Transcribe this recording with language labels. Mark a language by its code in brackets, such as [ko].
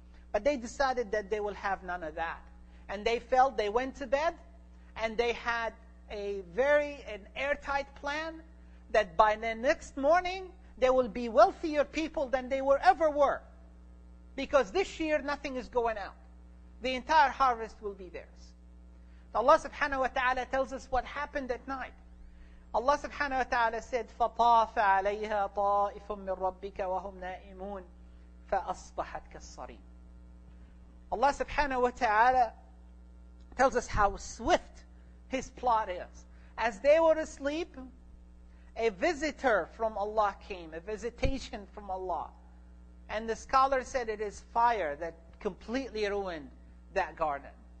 [en] But they decided that they will have none of that. And they felt, they went to bed, and they had an airtight plan that by the next morning, they will be wealthier people than they ever were. Because this year, nothing is going out. The entire harvest will be theirs. Allah subhanahu wa ta'ala tells us what happened at night. Allah subhanahu wa ta'ala said, [ar] فَطَافَ عَلَيْهَا طَائِفٌ مِّن رَبِّكَ وَهُمْ نَائِمُونَ فَأَصْبَحَتْ كَالصَّرِيمِ. [en] Allah subhanahu wa ta'ala tells us how swift his plot is. As they were asleep, a visitor from Allah came, a visitation from Allah. And the scholar said it is fire that completely ruined that garden.